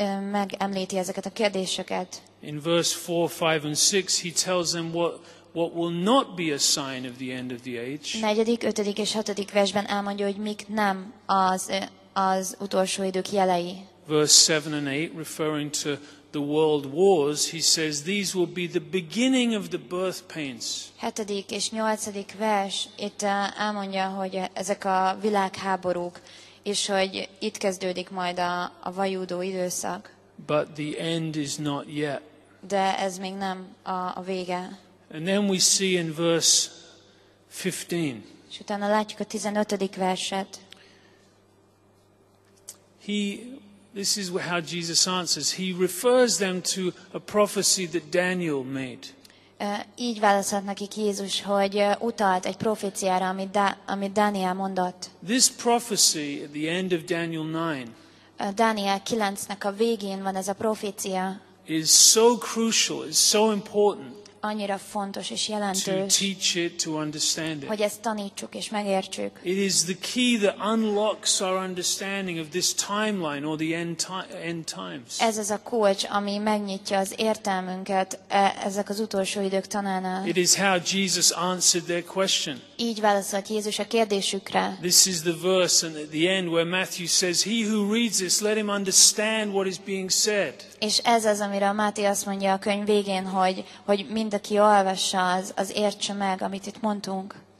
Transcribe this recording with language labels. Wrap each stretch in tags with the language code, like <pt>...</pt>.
<hu>megemlíti ezeket a kérdéseket.</hu> <en>In verse 4, 5, and 6, he tells them what will not be a sign of the end of the age.</en> <hu>Negyedik, ötödik és hatodik versben elmondja, hogy mik nem az utolsó idők jelei.</hu> <en>Verse 7 and 8, referring to the world wars, he says these will be the beginning of the birth pains.</en> <hu>7. és 8. vers itt elmondja, hogy ezek a világháborúk, és hogy itt kezdődik majd a vajúdó időszak.</hu> <en>But the end is not yet.</en> <hu>De ez még nem a vége.</hu> <en>And then we see in verse 15.</en> <hu>És utána látjuk a 15. verset.</hu> <en>This is how Jesus answers. He refers them to a prophecy that Daniel made.</en> <hu>Így válaszolt nekik Jézus, hogy utalt egy proféciára, amit Dániel mondott.</hu> <en>This prophecy at the end of Daniel 9.</en> <hu>Dániel 9-nek a végén van ez a profécia.</hu> <en>Is so crucial, is so important.</en> <hu>Annyira fontos és jelentős.</hu> <en>To teach it, to understand it.</en> <hu>Hogy ezt tanítsuk és megértsük.</hu> <en>It is the key that unlocks our understanding of this timeline or the end times.</en> <hu>Ez az a kulcs, ami megnyitja az értelmünket ezek az utolsó idők tanánál.</hu> <en>It is how Jesus answered their question.</en> <hu>Így válaszolt Jézus a kérdésükre.</hu> <en>This is the verse and at the end where Matthew says, "He who reads this, let him understand what is being said."</en> <hu>És ez az, amire a Máté azt mondja a könyv végén, hogy mindaki olvassa, az értse meg, amit itt mondtunk.</hu>